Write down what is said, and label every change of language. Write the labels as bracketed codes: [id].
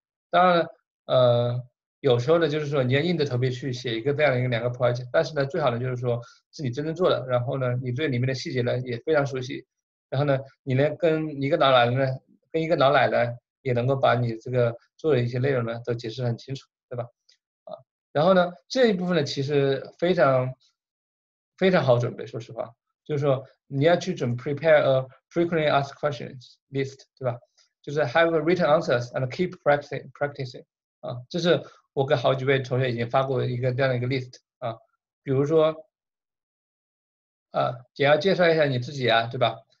[zh] 当然了，有时候呢，就是说你要硬着头皮去写一个这样一个两个 project，但是呢，最好呢就是说是你真正做的，然后呢，你对里面的细节呢也非常熟悉，然后呢，你呢跟一个老奶奶呢，跟一个老奶奶也能够把你这个做的一些内容呢都解释很清楚，对吧？然后呢，这一部分呢其实非常。非常好准备，说实话，就是说你要去准 prepare a frequently asked questions list，对吧？ [en] 就是 have written answers and keep practicing。 [zh] 这是我给好几位同学已经发过一个这样的一个 list 啊。比如说，简要介绍一下你自己啊，对吧？